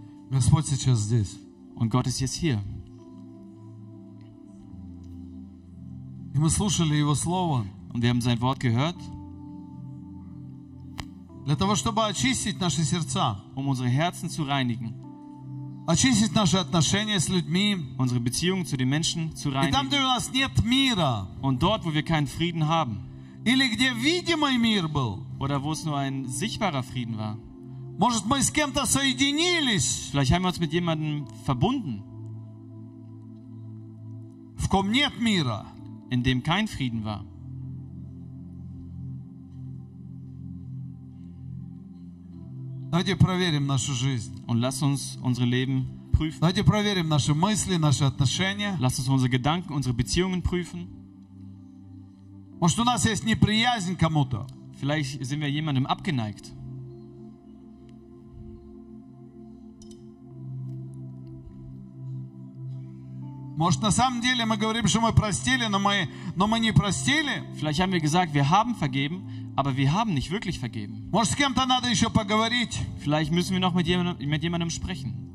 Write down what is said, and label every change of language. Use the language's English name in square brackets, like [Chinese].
[Russian] Господь сейчас здесь. [German] Und Gott ist jetzt hier. [Russian] И мы слушали Его Слово. [German] Und wir haben sein Wort gehört. [Russian] Для того, чтобы очистить наши сердца. [German] Um unsere Herzen zu reinigen. [Russian] Очистить наши отношения с людьми. [German] Unsere Beziehung zu den Menschen zu reinigen. [Russian] И там, где у нас нет мира. [German] Und dort, wo wir keinen Frieden haben. [Russian] Или где видимый мир был. [German] Oder wo es nur ein sichtbarer Frieden war. [Russian] Может, мы с кем-то соединились. [German] Vielleicht haben wir uns mit jemandem verbunden. [Russian] В ком нет мира. [German] In dem kein Frieden war. [Russian] Давайте проверим нашу жизнь. [German] Und lass uns unsere Leben prüfen. [Russian] Давайте проверим наши мысли, наши отношения. [German] Lass uns unsere Gedanken, unsere Beziehungen prüfen. [Russian] Может, у нас есть неприязнь кому-то. [German] Vielleicht sind wir jemandem abgeneigt. [Russian] Может, на самом деле мы говорим, что мы простили, но мы не простили. [German] Vielleicht haben wir gesagt, wir haben vergeben. Aber wir haben nicht wirklich vergeben. Vielleicht müssen wir noch mit jemandem sprechen.